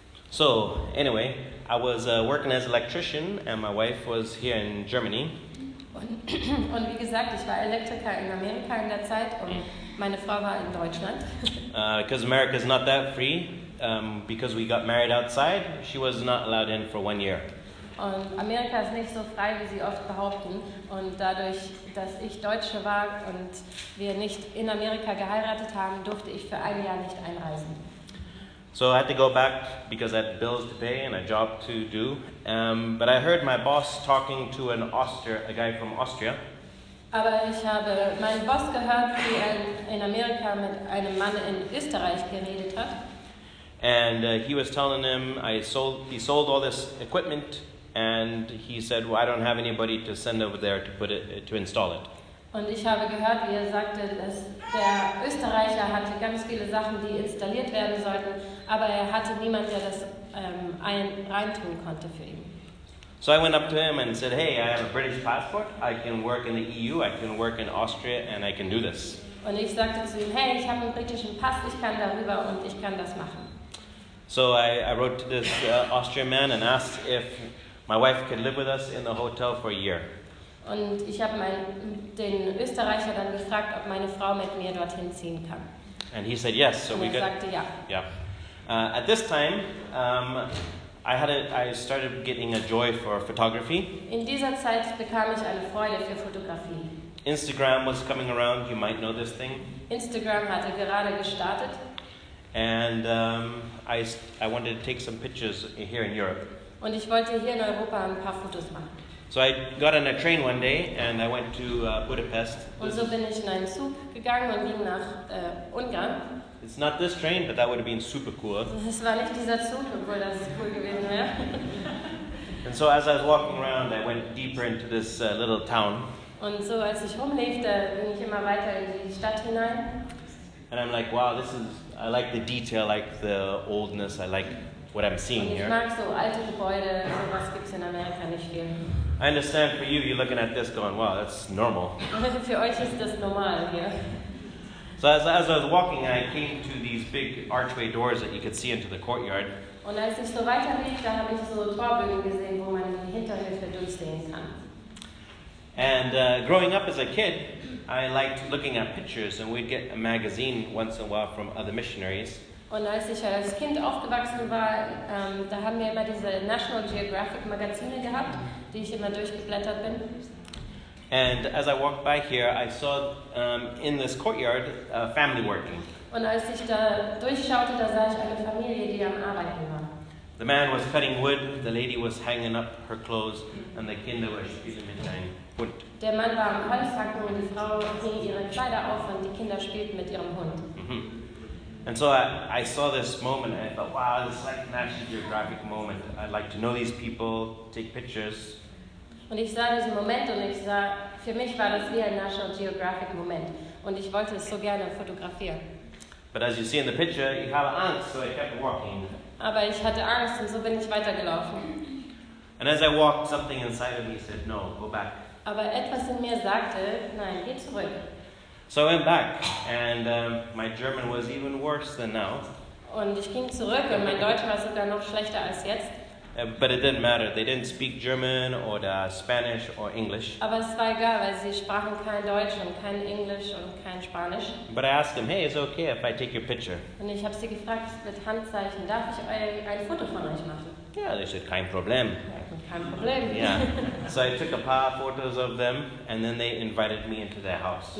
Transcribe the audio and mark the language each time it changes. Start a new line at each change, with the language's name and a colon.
English: So, anyway, I was working as an electrician and my wife was here in Germany.
German: Und wie gesagt, ich war Elektriker in Amerika in der Zeit und meine Frau war in Deutschland.
English: Because America is not that free. because we got married outside, she was not allowed in for 1 year.
German: Und Amerika ist nicht so frei, wie sie oft behaupten. Und dadurch, dass ich Deutsche war und wir nicht in Amerika geheiratet haben, durfte ich für ein Jahr nicht einreisen.
English: So I had to go back because I had bills to pay and a job to do. But I heard my boss talking to an Austria, a guy from Austria.
German: Aber ich habe meinen Boss gehört, wie er in Amerika mit einem Mann in Österreich geredet hat.
English: And he was telling him, he sold all this equipment, and he said, well, I don't have anybody to send over there to install it.
German: Und ich habe gehört, wie er sagte, dass der Österreicher hatte ganz viele Sachen, die installiert werden sollten, aber er hatte niemand, der das reintun konnte für ihn.
English: So I went up to him and said, hey, I have a British passport, I can work in the EU, I can work in Austria, and I can do this.
German: Und ich sagte zu ihm, hey, ich habe einen britischen Pass, ich kann darüber und ich kann das machen.
English: So I wrote to this Austrian man and asked if my wife could live with us in the hotel for a year.
German: Und ich habe den Österreicher dann gefragt, ob meine Frau mit mir dorthin ziehen kann.
English: And he said yes, so
German: und
English: we got.
German: Und er sagte ja.
English: Yeah. At this time, I started getting a joy for photography.
German: In dieser Zeit bekam ich eine Freude für Fotografie.
English: Instagram was coming around. You might know this thing.
German: Instagram hatte gerade gestartet.
English: And I wanted to take some pictures here in Europe.
German: Und ich wollte hier in Europa ein paar Fotos machen.
English: So I got on a train one day and I went to Budapest.
German: Und so bin ich in einen Zug gegangen und ging nach Ungarn.
English: It's not this train, but that would have been super cool.
German: Das war nicht dieser Zug, obwohl das cool gewesen wäre.
English: And so as I was walking around, I went deeper into this little town.
German: Und so als ich rumlief, da bin ich immer weiter in die Stadt hinein.
English: And I'm like, wow, this is, I like the detail, I like the oldness, I like what I'm seeing
German: und
English: here.
German: Ich mag so alte Gebäude, sowas gibt's in Amerika nicht viel.
English: I understand for you, you're looking at this going, wow, that's normal.
German: Für euch ist das normal hier.
English: So as I was walking, I came to these big archway doors that you could see into the courtyard.
German: Und als ich so weiter lief, da habe ich so Torbögen gesehen, wo man Hinterhöfe durchsehen kann.
English: And growing up as a kid, I liked looking at pictures, and we'd get a magazine once in a while from other missionaries.
German: Und als ich als Kind aufgewachsen war, da haben wir immer diese National Geographic Magazine gehabt, die ich immer durchgeblättert bin.
English: And as I walked by here, I saw in this courtyard a family working.
German: Und als ich da durchschaute, da sah ich eine Familie, die am Arbeiten war.
English: The man was cutting wood, the lady was hanging up her clothes, and the Kinder were
German: spielen mit ihren Hund. Der Mann war am Holzhacken und die Frau hing ihre Kleider auf und die Kinder spielten mit ihrem Hund. Mm-hmm.
English: And so I saw this moment and I thought, wow, this is like a National Geographic moment. I'd like to know these people, take pictures.
German: Und ich sah diesen Moment und ich sah, für mich war das wie ein National Geographic Moment. Und ich wollte es so gerne fotografieren.
English: But as you see in the picture,
German: ich habe Angst,
English: so I kept walking.
German: Aber ich hatte Angst und so bin ich weitergelaufen.
English: And as I walked, something inside of me said, no, go back.
German: Aber etwas in mir sagte, nein, geh zurück.
English: So I went back and my German was even worse than now.
German: Und ich ging zurück und mein Deutsch war sogar noch schlechter als jetzt.
English: But it didn't matter. They didn't speak German or Spanish or English.
German: Aber es war egal, weil sie sprachen kein Deutsch und kein Englisch und kein Spanisch.
English: But I asked them, hey, is it okay if I take your picture?
German: Und ich habe sie gefragt mit Handzeichen, darf ich ein Foto von euch machen?
English: Yeah, they said,
German: kein Problem. Kein Problem.
English: Yeah. So I took a paar photos of them and then they invited me into their house.